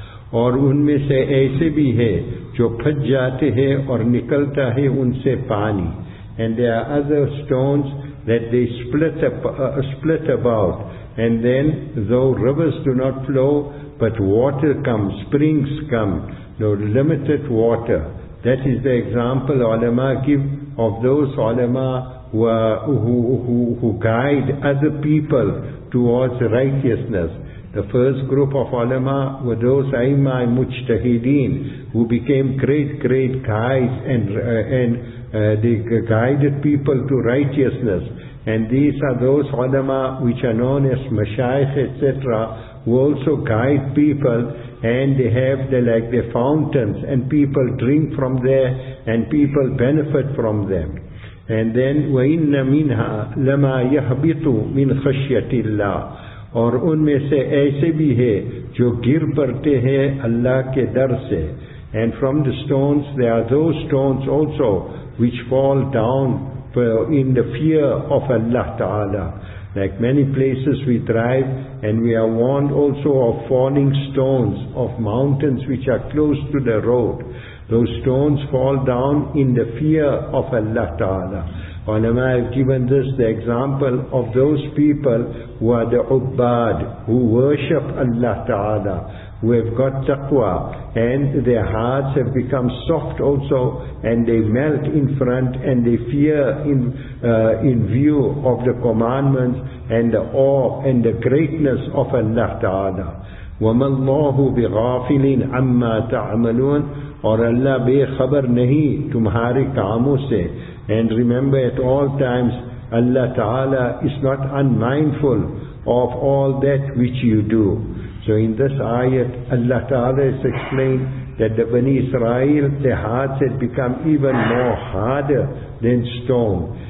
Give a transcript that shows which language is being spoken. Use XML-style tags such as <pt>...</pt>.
<ur>اور ان میں سے ایسے بھی ہے جو پھٹ جاتے ہیں اور نکلتا ہے ان سے پانی.</ur> <en>And there are other stones that they split about. And then, though rivers do not flow, but water comes, springs come, no limited water. That is the example ulama give of those ulama who guide other people towards righteousness. The first group of ulama were those Aimai Mujtahideen who became great guides and they guided people to righteousness. And these are those ulama which are known as Mashaykh, etc., who also guide people, and they have the fountains, and people drink from there, and people benefit from them. And then,</en> <ar>وَإِنَّ مِنْهَا لَمَا يَحْبِطُ مِنْ خَشْيَةِ اللَّهِ.</ar> <ur>اور ان میں سے ایسے بھی ہے جو گر پڑتے ہیں اللہ کے ڈر سے.</ur> <en>And from the stones, there are those stones also which fall down in the fear of Allah Ta'ala. Like many places we drive and we are warned also of falling stones of mountains which are close to the road. Those stones fall down in the fear of Allah Ta'ala. Ulama have given this the example of those people who are the ubbad, who worship Allah Ta'ala, who have got taqwa, and their hearts have become soft also, and they melt in front, and they fear in view of the commandments and the awe and the greatness of Allah Ta'ala.</en> <ar>وَمَا اللَّهُ بِغَافِلٍ عَمَّا تَعْمَلُونَ.</ar> <ur>اور اللہ بے خبر نہیں تمہارے کاموں سے.</ur> <en>And remember, at all times Allah Ta'ala is not unmindful of all that which you do. So in this ayat, Allah Ta'ala has explained that the Bani Israel, their hearts had become even more harder than stone.</en>